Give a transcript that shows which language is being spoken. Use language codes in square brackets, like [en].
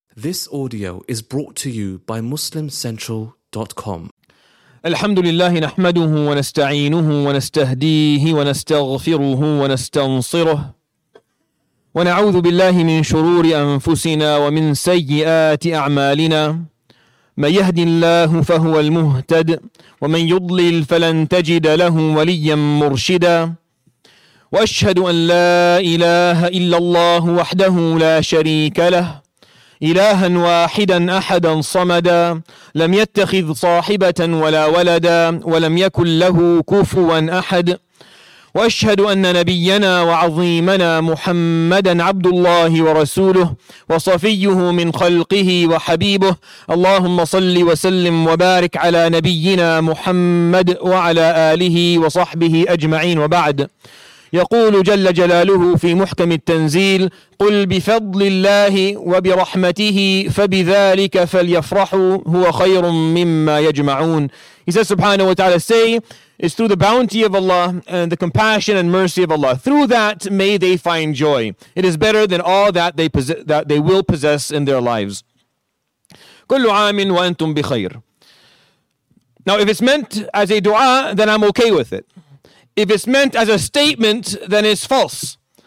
[en] This audio is brought to you by MuslimCentral.com. [ar] الحمد لله نحمده ونستعينه ونستهديه ونستغفره ونستنصره ونعوذ بالله من شرور أنفسنا ومن سيئات أعمالنا من يهدي الله فهو المهتد ومن يضلل فلن تجد له وليا مرشدا وأشهد أن لا إله إلا الله وحده لا شريك له إلها واحدا أحدا صمدا لم يتخذ صاحبة ولا ولدا ولم يكن له كفوا أحد وأشهد أن نبينا وعظيمنا محمدا عبد الله ورسوله وصفيه من خلقه وحبيبه اللهم صل وسلم وبارك على نبينا محمد وعلى آله وصحبه أجمعين وبعد يقول جل جلاله في محكم التنزيل قل بفضل الله وبرحمته فبذلك فليفرحوا هو خير مما يجمعون. [en] He says subhanahu wa ta'ala, say, it's through the bounty of Allah and the compassion and mercy of Allah. Through that may they find joy. It is better than all that they will possess in their lives. [ar] كل عام وأنتم بخير. [en] Now if it's meant as a dua, then I'm okay with it. If it's meant as a statement, then it's false.